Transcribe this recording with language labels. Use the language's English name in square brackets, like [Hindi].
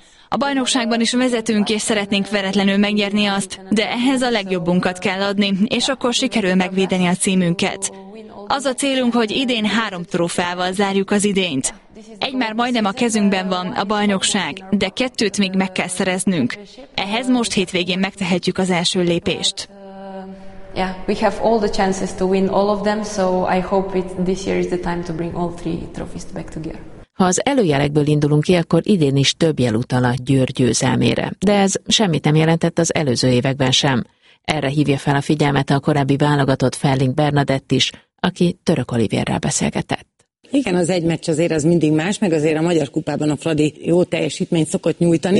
[Hungarian] A bajnokságban is vezetünk, és szeretnénk veretlenül megnyerni azt, de ehhez a legjobbunkat kell adni, és akkor sikerül megvédeni a címünket. Az a célunk, hogy idén 3 trófeával zárjuk az idényt. Egy már majdnem a kezünkben van, a bajnokság, de 2 még meg kell szereznünk. Ehhez most hétvégén megtehetjük az első lépést. [English] Yeah, we have all the chances to win all of them, so I hope it this year is the time to bring all 3 trophies back together. [Hungarian] Ha az előjelekből indulunk ki, akkor idén is több jel utal a Győr győzelmére, de ez semmit nem jelentett az előző években sem. Erre hívja fel a figyelmet a korábbi válogatott Ferling Bernadett is, aki Török Olivérrel beszélgetett. Igen, az egy meccs azért az mindig más, meg azért a Magyar Kupában a Fradi jó teljesítményt szokott nyújtani.